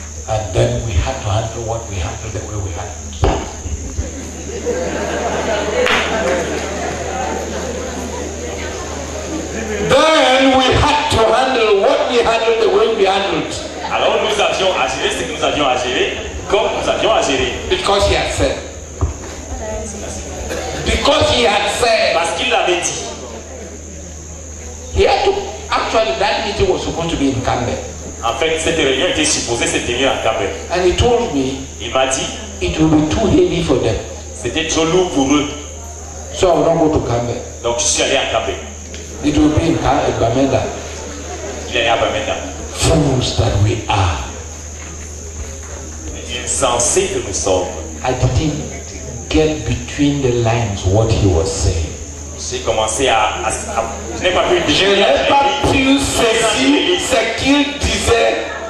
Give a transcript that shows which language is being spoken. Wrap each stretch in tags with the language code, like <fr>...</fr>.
<en>And then we had to handle what we handled the way we had. Then we had to handle what we handled the way we handled.</en> <fr>Alors nous avions à gérer ce que nous avions à gérer, comme nous avions à gérer.</fr> <en>Because he had said. Because he had said.</en> <fr>Parce qu'il l'avait dit.</fr> <en>He had to. Actually, that meeting was supposed to be in Kambe.</en> <fr>En fait, cette réunion était supposée se tenir à Kambe.</fr> <en>And he told me.</en> <fr>Il m'a dit.</fr> <en>It will be too heavy for them.</en> <fr>C'était trop lourd pour eux.</fr> <en>So I will not go to Kambe.</en> <fr>Donc je suis allé à Kambe.</fr> <en>It will be in Bamenda.</en> <fr>Il est allé à Bamenda.</fr> <en>Fools that we are.</en> <fr>Insensé que nous sommes.</fr> <en>I didn't get between the lines what he was saying.</en> <fr>J'ai commencé à je n'ai pas pu je n'ai pas pu ceci ce qu'il disait</fr>